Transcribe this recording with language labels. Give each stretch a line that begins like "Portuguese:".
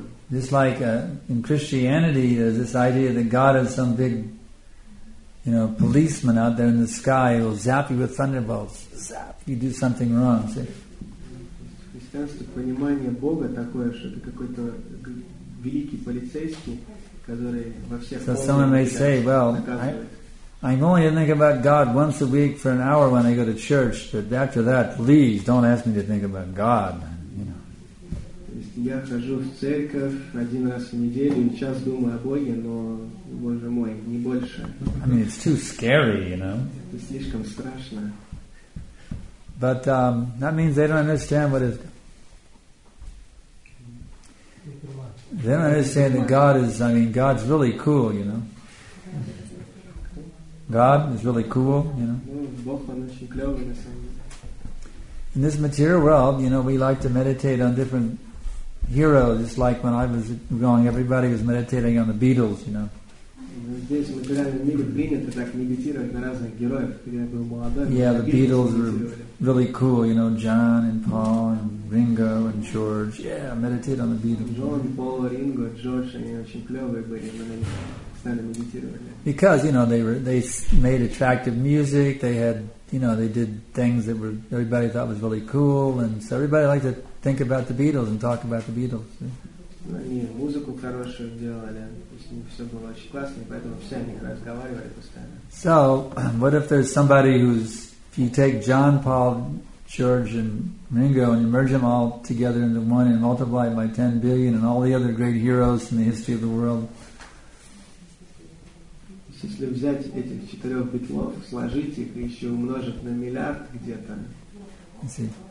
English: Just like in Christianity, there's this idea that God is some big, you know, policeman out there in the sky who will zap you with thunderbolts. Zap! You do something wrong. See?
Russian: Христианство понимание Бога такое, что это какой-то великий полицейский, который во всех.
English: So someone may say, "Well, I'm only to think about God once a week for an hour when I go to church, but after that, please don't ask me to think about God."
Russian: Я хожу в церковь один раз в неделю, час думаю о Боге, но, Боже мой, не больше.
English: I mean, it's too scary, you know.
Russian: Это слишком страшно.
English: But that means they don't understand what is. They don't understand that God is. I mean, God's really cool, you know. God is really cool, you know.
Russian: Бог он очень клевый на самом деле.
English: In this material world, you know, we like to meditate on different. Hero, just like when I was growing, everybody was meditating on the Beatles, you know. Yeah, the Beatles were really cool, you know, John and Paul and Ringo and George. Yeah, meditate on the Beatles.
Russian: John, Paul, Ringo, George, они очень клевые были, мы на них стали медитировали.
English: Because, you know, they made attractive music, they had, you know, they did things that were everybody thought was really cool, and so everybody liked to think about the Beatles and talk about the Beatles.
Russian: Они музыку хорошую делали, с ними все было очень классно, поэтому все они разговаривали постоянно.
English: So, what if there's somebody who's, if you take John, Paul, George, and Ringo and you merge them all together into one and multiply it by 10 billion and all the other great heroes in the history of the world?
Russian: Если взять этих четырех битлов, сложить их и еще умножить на миллиард где-то.